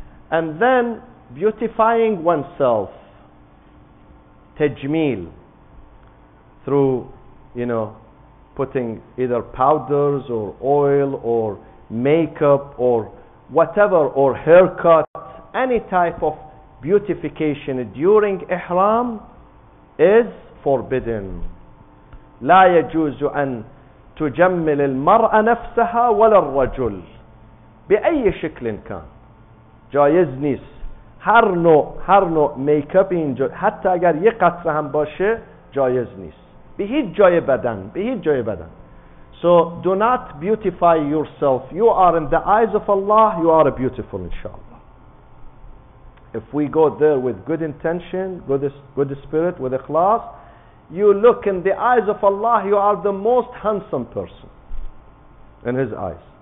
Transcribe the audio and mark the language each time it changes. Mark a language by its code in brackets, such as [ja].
[en] And then beautifying oneself, tajmeel, through, you know, putting either powders or oil or makeup or whatever, or haircut, any type of beautification during Ihram is forbidden. [ar] لا يجوز أن تجمل المرأة نفسها ولا الرجل بأي شكل كان. [fa] جايزنيس هر نوع میکپی اینجا حتی اگر یک قطره هم باشه جایز نیست به هیچ جای بدن [en] So do not beautify yourself. You are in the eyes of Allah, you are beautiful, inshallah. If we go there with good intention, good spirit, with ikhlas, you look in the eyes of Allah, you are the most handsome person in His eyes.